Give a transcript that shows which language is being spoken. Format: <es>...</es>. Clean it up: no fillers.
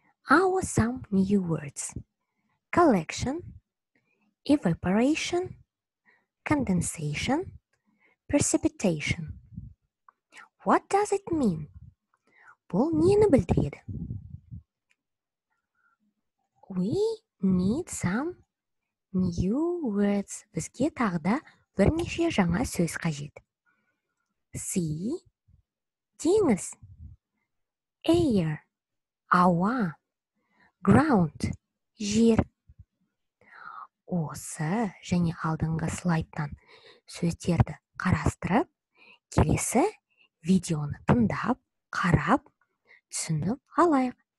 <en>Our some new words. Collection, evaporation, condensation, precipitation. What does it mean?</en> <kk>Бұл нені білдіреді?</kk> <en>We need some new words.</en> <kk>Бізге тағда бірнеше жаңа сөз қажет.</kk> <en>Sea, теңіз, air, ауа, ground, жер.</en> <kk>Осы және алдыңғы слайдтан сөздерді қарастырып, келесі видеоны тыңдап, қарап, түсініп алайық.</kk>